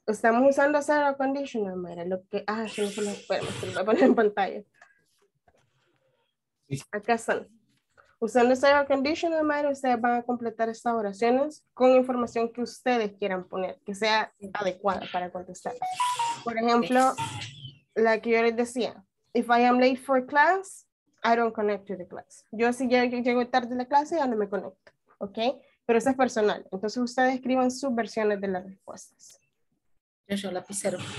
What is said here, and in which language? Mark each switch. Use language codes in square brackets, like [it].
[es] Estamos usando Sarah Conditional, Mayra. Lo que, ah, se me lo voy a poner en pantalla. Acá están. Usando Sarah Conditional, Mayra, ustedes van a completar estas oraciones con información que ustedes quieran poner, que sea adecuada para contestar. Por ejemplo, la que yo les decía. [en] If I am late for class, I don't connect to the class. [es] Yo si llego tarde a la clase, ya no me conecto. ¿Ok? Pero eso es personal. Entonces ustedes escriban sus versiones de las respuestas. Yo lapicero.